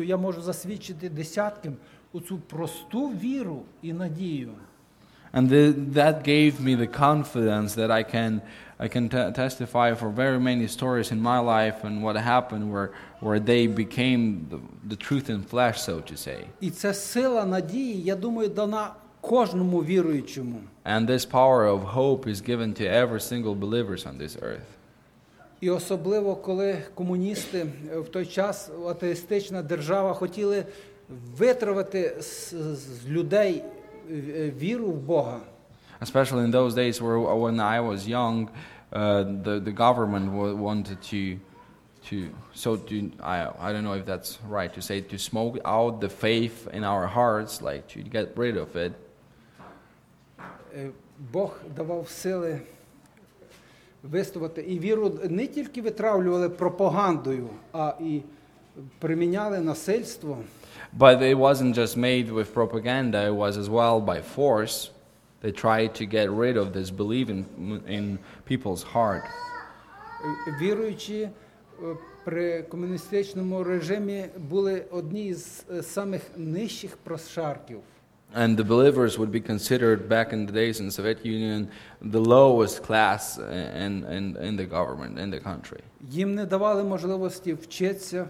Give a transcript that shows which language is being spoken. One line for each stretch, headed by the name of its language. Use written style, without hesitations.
Ukrainian: Я можу засвідчити десяткам у цю просту віру і надію.
English: And that gave me the confidence that I can testify for very many stories in my life and what happened where they became the truth in flesh, so to say.
Ukrainian: І це сила надії, я думаю, дана кожному віруючому.
English: And this power of hope is given to every single believer on this earth.
Ukrainian: І особливо, коли комуністи в той час, атеїстична держава, хотіли витравити з людей віру в Бога.
English: Especially in those days when I was young, the government wanted to smoke out the faith in our hearts, like to get rid of it.
Ukrainian: Бог давав сили виставити і віру не тільки витравлювали пропагандою, а і приміняли насильство.
English: But it wasn't just made with propaganda, it was as well by force. They tried to get rid of this belief in people's heart.
Ukrainian: Віруючі при комуністичному режимі були одні з самих нижчих прошарків.
English: And the believers would be considered back in the days in the Soviet Union the lowest class in the government, in the country.
Ukrainian: Їм не давали можливості вчитися.